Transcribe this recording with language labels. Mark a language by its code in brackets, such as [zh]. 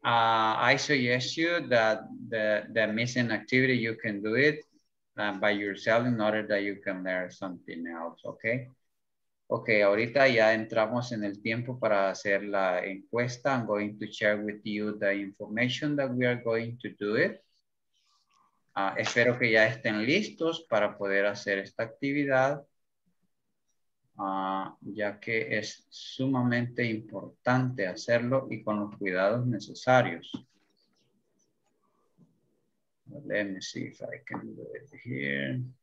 [en] I suggest you that the missing activity, you can do it by yourself in order that you can learn something else, okay? [es] Okay, ahorita ya entramos en el tiempo para hacer la encuesta. [en] I'm going to share with you the information that we are going to do it. [es] Espero que ya estén listos para poder hacer esta actividad, ya que es sumamente importante hacerlo y con los cuidados necesarios. [en] Let me see if I can do it here.